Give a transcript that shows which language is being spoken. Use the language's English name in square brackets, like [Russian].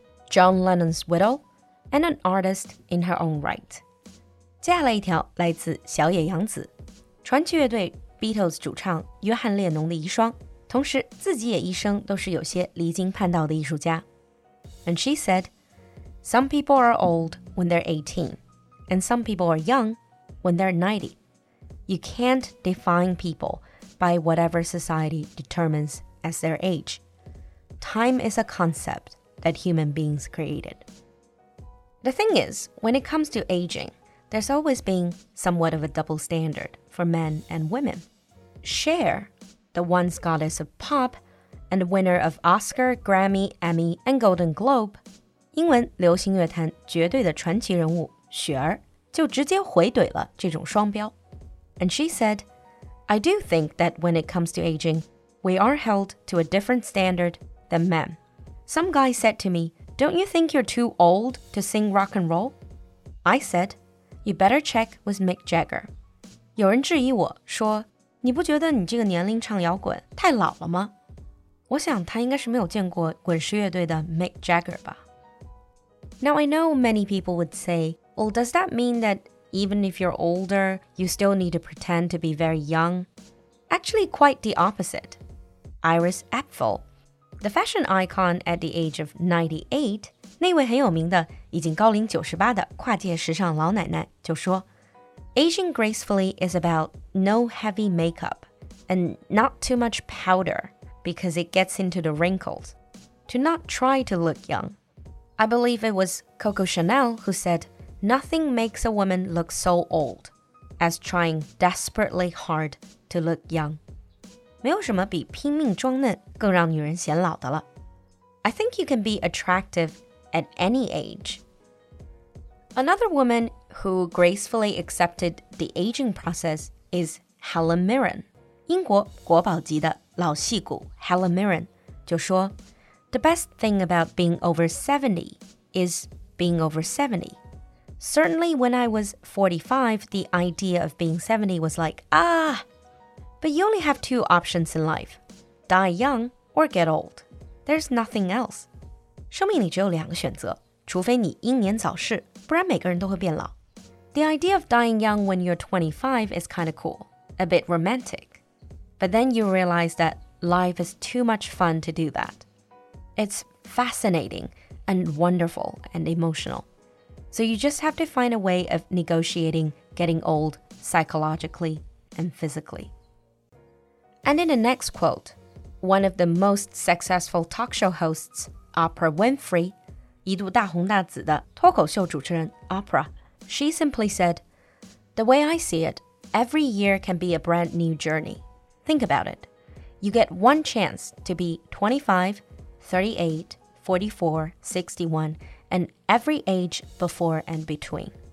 [English] John Lennon's widow and an artist in her own right. [Chinese] 接下来一条来自小野洋子，传奇乐队 Beatles 主唱约翰列侬的遗孀，同时自己也一生都是有些离经叛道的艺术家。 [English] And she said, Some people are old when they're 18, and some people are young when they're 90. You can't define people by whatever society determines as their age. Time is a concept that human beings created. The thing is, when it comes to aging, there's always been somewhat of a double standard for men and women. Cher, the once goddess of pop, and winner of Oscar, Grammy, Emmy, and Golden Globe, [Chinese] 英文流行乐坛绝对的传奇人物雪儿就直接回怼了这种双标。 [English] And she said, I do think that when it comes to aging, we are held to a different standard than men. Some guy said to me, don't you think you're too old to sing rock and roll? I said, you better check with Mick Jagger. [Chinese] 有人质疑我说，你不觉得你这个年龄唱摇滚太老了吗？我想他应该是没有见过滚石乐队的 Mick Jagger 吧。 [English] Now I know many people would say, well, does that mean that even if you're older, you still need to pretend to be very young? Actually, quite the opposite. Iris Apfel, the fashion icon at the age of 98, [Chinese] 那位很有名的已经高龄98的跨界时尚老奶奶就说 [English] Aging gracefully is about no heavy makeup and not too much powder because it gets into the wrinkles. To not try to look young. I believe it was Coco Chanel who said, Nothing makes a woman look so old as trying desperately hard to look young. [Chinese] 没有什么比拼命装嫩更让女人显老的了。 [English] I think you can be attractive at any age. Another woman who gracefully accepted the aging process is Helen Mirren. [Chinese] 英国国宝级的老戏骨 Helen Mirren 就说 [English] The best thing about being over 70 is being over 70. Certainly when I was 45, the idea of being 70 was like, ah! But you only have two options in life, die young or get old. There's nothing else. [Chinese] 生命里只有两个选择,除非你英年早逝,不然每个人都会变老。 [English] The idea of dying young when you're 25 is kind of cool, a bit romantic. But then you realize that life is too much fun to do that. It's fascinating and wonderful and emotional. So you just have to find a way of negotiating getting old psychologically and physically. And in the next quote, one of the most successful talk show hosts, Oprah Winfrey, [Chinese] 一度大红大紫的脱口秀主持人 Oprah, [English] she simply said, The way I see it, every year can be a brand new journey. Think about it. You get one chance to be 25,38, 44, 61, and every age before and between.